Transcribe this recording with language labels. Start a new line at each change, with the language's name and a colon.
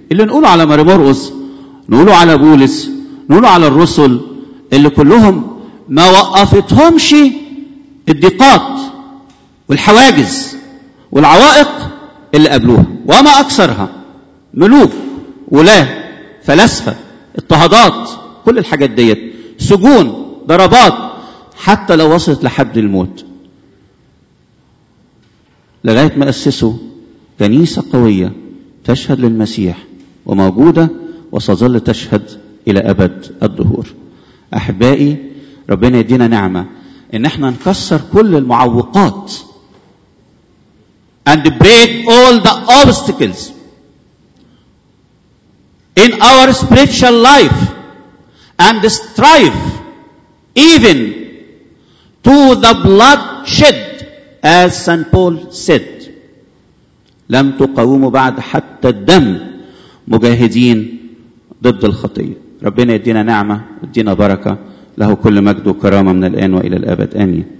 Arabic: اللي نقوله على ماري مرقس، نقوله على بولس، نقوله على الرسل اللي كلهم ما وقفتهمش الضيقات والحواجز والعوائق اللي قابلوها، وما أكثرها، ملوك ولا فلاسفة، اضطهادات، كل الحاجات ديت، سجون، ضربات، حتى لو وصلت لحد الموت، لغاية ما أسسوا كنيسة قوية تشهد للمسيح وموجودة وستظل تشهد إلى أبد الدهور. أحبائي، ربنا يدينا نعمة إن احنا نكسر كل المعوقات
English: and break all the obstacles in our spiritual life and strive even to the bloodshed as St. Paul said.
Arabic: لم تقاوموا بعد حتى الدم مجاهدين ضد الخطية. ربنا يدينا نعمة ويدينا بركة، له كل مجد وكرامة من الآن وإلى الأبد. آمين.